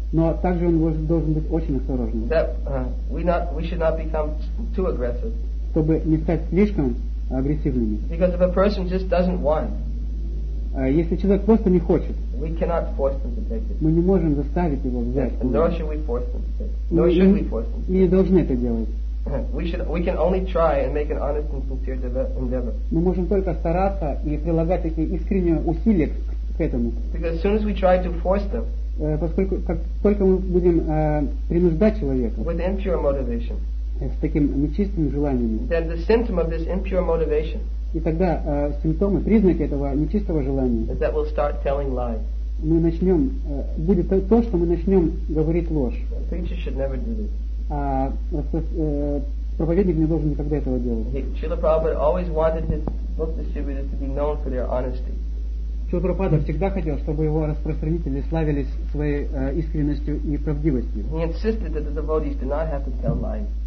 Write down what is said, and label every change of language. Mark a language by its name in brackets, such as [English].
[Russian] Но также он должен быть очень осторожным. [English] That we should not become too aggressive. [Russian] Чтобы не стать слишком агрессивными. [English] Because if a person just doesn't want. [Russian] Если человек просто не хочет, [English] we cannot force them to take it. [Russian] Мы не можем заставить его взять. [English] And nor should we force them to take it. Nor should we force them. [Russian] Мы не должны это делать. [English] We can only try and make an honest and sincere endeavor. [Russian] Мы можем только стараться и прилагать такие искренние усилия к этому. [English] Because as soon as we try to force them, [Russian] поскольку как только мы будем принуждать человека, [English] with impure motivation, [Russian] с таким нечистым желанием, [English] then the symptom of this impure motivation. [Russian] И тогда симптомы, признаки этого нечистого желания. [English] That we'll start telling lies. [Russian] Мы начнем, будет то, что мы начнем говорить ложь. [English] Preacher should never do this. [Russian] Проповедник не должен никогда этого делать. [English] Srila Prabhupada always wanted his book distributors to be known for their honesty. [Russian] Шрила Прабхупада всегда хотел, чтобы его распространители славились своей искренностью и правдивостью. [English] He insisted that the devotees do not have to tell lies.